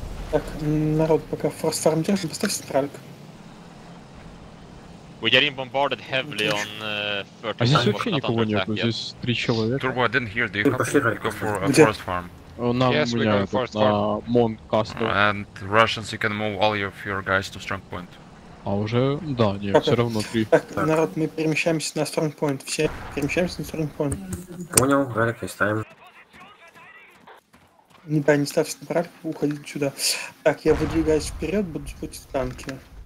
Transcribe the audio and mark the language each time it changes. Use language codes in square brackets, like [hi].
[ru] Так, народ, пока форс фарм держит, поставь стрелик. [en] We getting bombarded heavily on [ru] 30. А здесь вообще никого нет, здесь 3 человека. [en] Turbo, I didn't hear, do you have to go for a forest farm? [ru] На меня этот, на Мон кастел. [en] And Russians, you can move all of your guys to strong point. [ru] А уже, да, нет, все равно три. Так, народ, мы перемещаемся на Strong Point. Все перемещаемся на Strong Point. Понял, ралик не ставим. Не, да, не ставьте на ралик, уходите сюда. Так, я выдвигаюсь вперед, буду спать в танке.